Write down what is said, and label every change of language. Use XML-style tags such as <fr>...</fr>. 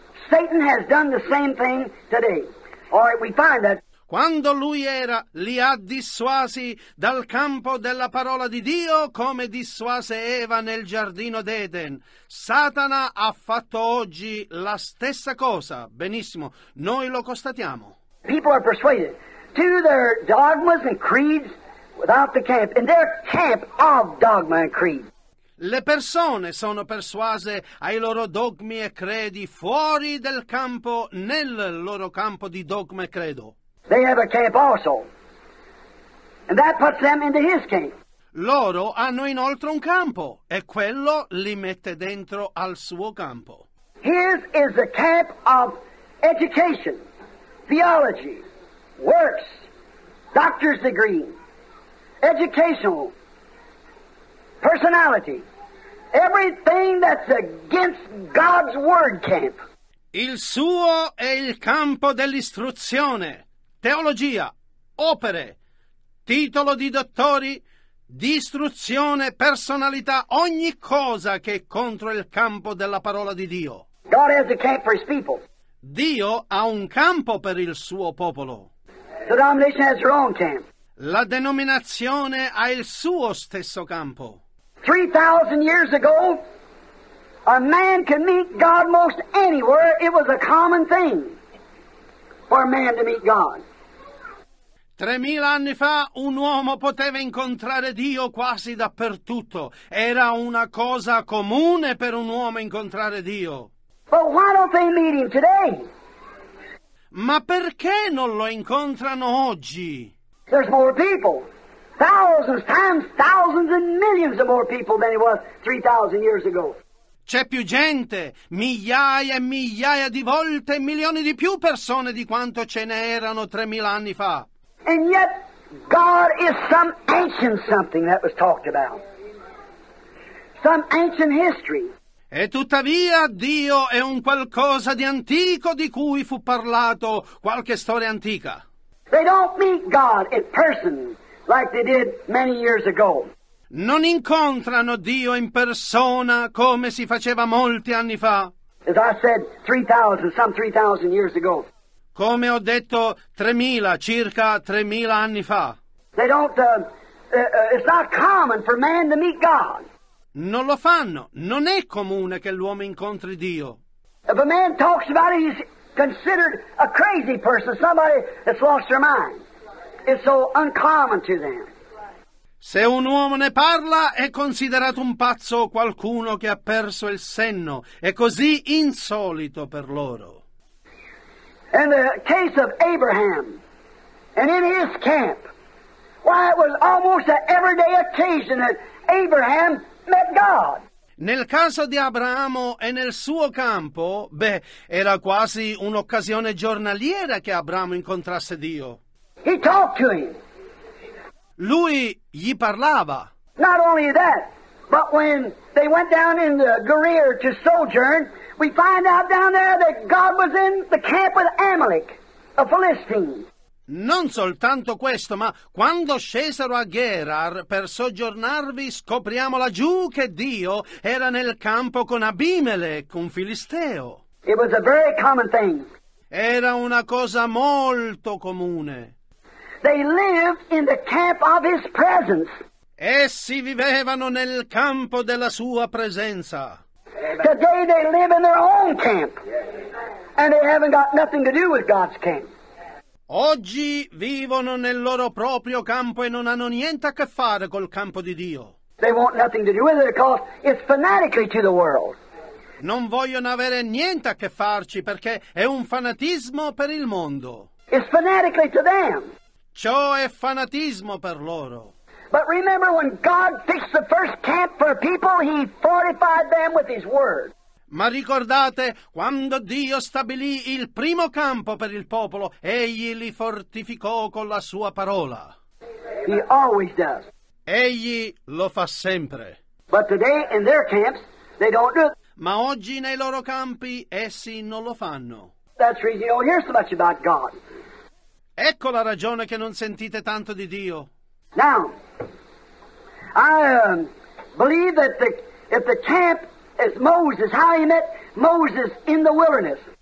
<en>Satan has done the same thing today. All right, we find that.</en> <it>Quando lui era, li ha dissuasi dal campo della parola di Dio come dissuase Eva nel giardino d'Eden. Satana ha fatto oggi la stessa cosa. Benissimo, noi lo constatiamo.</it> <en>People are persuaded to their dogmas and creeds without the camp, in their camp of dogma and creed.</en> <it>Le persone sono persuase ai loro dogmi e credi fuori del campo, nel loro campo di dogma e credo.</it> <en>They have a camp also. And that puts them into his camp.</en> <it>Loro hanno inoltre un campo, e quello li mette dentro al suo campo.</it> <en>His is the camp of education, theology, works, doctor's degree, educational, personality, everything that's against God's word camp.</en> <it>Il suo è il campo dell'istruzione. Teologia, opere, titolo di dottori, distruzione, personalità, ogni cosa che è contro il campo della parola di Dio.</it> <en>God has a camp for his people.</en> <it>Dio ha un campo per il suo popolo.</it> <en>The denomination has their own camp.</en> <it>La denominazione ha il suo stesso campo.</it> <en>3,000 years ago, a man could meet God most anywhere. It was a common thing for a man to meet God.</en> <it>3,000 anni fa un uomo poteva incontrare Dio quasi dappertutto. Era una cosa comune per un uomo incontrare Dio.</it> <en>But why don't they meet him today?</en> <it>Ma perché non lo incontrano oggi?</it> <en>There's more people. Thousands, times thousands and millions of more people than it was 3,000 years ago.</en> <it>C'è più gente, migliaia e migliaia di volte, milioni di più persone di quanto ce ne erano 3,000 anni fa.</it> <en>And yet, God is some ancient something that was talked about. Some ancient history.</en> <it>E tuttavia, Dio è un qualcosa di antico di cui fu parlato, qualche storia antica.</it> <en>They don't meet God in person like they did many years ago.</en> <it>Non incontrano Dio in persona come si faceva molti anni fa.</it> <en>As I said, 3,000, some 3,000 years ago.</en> <it>Come ho detto, 3,000, circa 3,000 anni fa.</it> <en>They don't, it's not common for man to meet God.</en> <it>Non lo fanno. Non è comune che l'uomo incontri Dio.</it> <en>If a man talks about it, he's considered a crazy person, somebody that's lost their mind. It's so uncommon to them.</en> <it>Se un uomo ne parla, è considerato un pazzo o qualcuno che ha perso il senno. È così insolito per loro.</it> <en>in the case of Abraham and in his camp. Why, it was almost an everyday occasion that Abraham met God.</en> <it>Nel caso di Abramo e nel suo campo, beh, era quasi un'occasione giornaliera che Abramo incontrasse Dio.</it> <en>He talked to him.</en> <it>Lui gli parlava.</it> <en>Not only that, but when they went down in the Gerar to sojourn, we find out down there that God was in the camp with Amalek, a Philistine.</en> <it>Non soltanto questo, ma quando scesero a Gerar per soggiornarvi, scopriamo laggiù che Dio era nel campo con Abimelech, un filisteo.</it> <en>It was a very common thing.</en> <it>Era una cosa molto comune.</it> <en>They lived in the camp of his presence.</en> <it>Essi vivevano nel campo della sua presenza.</it> <en>Today they live in their own camp, and they haven't got nothing to do with God's camp.</en> <it>Oggi vivono nel loro proprio campo e non hanno niente a che fare col campo di Dio.</it> <en>They want nothing to do with it because it's fanatically to the world.</en> <it>Non vogliono avere niente a che farci perché è un fanatismo per il mondo.</it> <en>It's fanatically to them.</en> <it>Ciò è fanatismo per loro.</it> <en>But remember when God fixed the first camp for people, he fortified them with his word.</en> <it>Ma ricordate, quando Dio stabilì il primo campo per il popolo, egli li fortificò con la sua parola.</it> <en>He always does.</en> <it>Egli lo fa sempre.</it> <en>But today in their camps, they don't do it.</en> <it>Ma oggi nei loro campi essi non lo fanno.</it> <en>That's the reason you don't hear so much about God.</en> <it>Ecco la ragione che non sentite tanto di Dio.</it> <en>Now, I believe that if the camp is Moses, how he met Moses in the wilderness.</en>